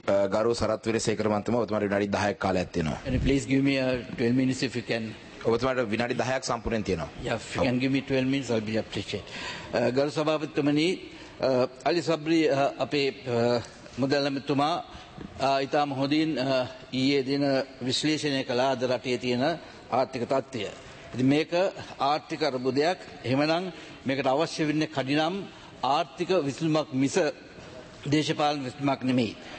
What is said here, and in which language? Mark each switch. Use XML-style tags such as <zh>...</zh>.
<si>ගරු සරත් විරසේකර මන්තම ඔබතුමාට විනාඩි 10ක් කාලයක් තියෙනවා.</si> <en>Please give me 12 minutes if you can.</en> <si>ඔබතුමාට විනාඩි 10ක් සම්පූර්ණයෙන් තියෙනවා.</si> <en>Yeah, if you can give me 12 minutes I'll be appreciate.</en> <si>ගරු සභාපතිතුමනි අලි සබ්රි අපේ මුදලමතුමා ඉතාම හොඳින් ඊයේ දින විශ්ලේෂණය කළා අද රටේ තියෙන ආර්ථික තත්ත්වය. ඉතින් මේක ආර්ථික අර්බුදයක්. එහෙමනම් මේකට අවශ්‍ය වෙන්නේ කඩිනම් ආර්ථික විසඳුමක් මිස දේශපාලන විසඳුමක් නෙමෙයි.</si>